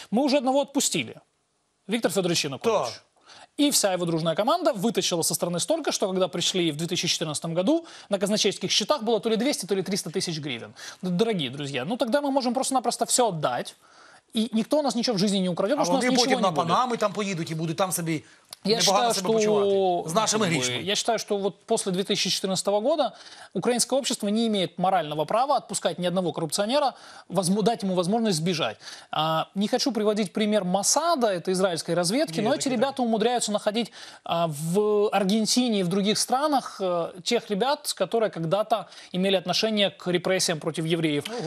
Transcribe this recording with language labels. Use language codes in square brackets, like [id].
[ru] Мы уже одного отпустили. Виктор Федорович Янукович. Да. И вся его дружная команда вытащила со стороны столько, что когда пришли в 2014 году, на казначейских счетах было то ли 200, то ли 300 тысяч гривен. Дорогие друзья, ну тогда мы можем просто-напросто все отдать, и никто у нас ничего в жизни не украдет, потому что у нас ничего не будет. [uk] А вони потім на Панами там поїдуть і будуть там собі непогано себе почувати. З нашими грішми. [ru] Я считаю, что вот после 2014 года украинское общество не имеет морального права отпускать ни одного коррупционера, дать ему возможность сбежать. Не хочу приводить пример Масада, это израильской разведки, но эти ребята умудряются находить в Аргентине и в других странах тех ребят, которые когда-то имели отношение к репрессиям против евреев.